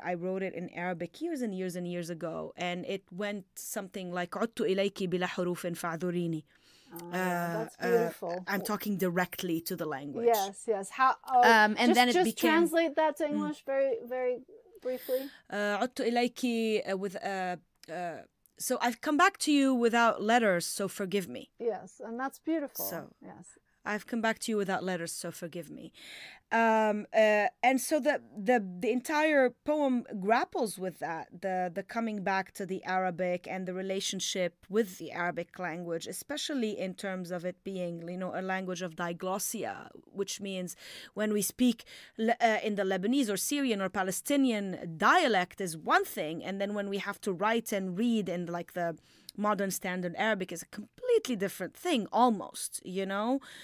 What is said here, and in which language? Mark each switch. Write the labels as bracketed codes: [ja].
[en] I wrote it in Arabic years and years and years ago. And it went something like, [ar] عُدْتُ إِلَيْكِ بِلَا حُرُوفٍ فَعْذُرِينِ. [en] That's beautiful. I'm talking directly to the language. Yes. And then it became... Just translate that to English very, very briefly. [ar] عُدْتُ إِلَيْكِ [en] with... So I've come back to you without letters, so forgive me. Yes, and that's beautiful. So, yes. I've come back to you without letters, so forgive me. And so the entire poem grapples with that, the coming back to the Arabic and the relationship with the Arabic language, especially in terms of it being, you know, a language of diglossia, which means when we speak in the Lebanese or Syrian or Palestinian dialect is one thing, and then when we have to write and read in like the modern standard Arabic is a completely different thing, almost, you know?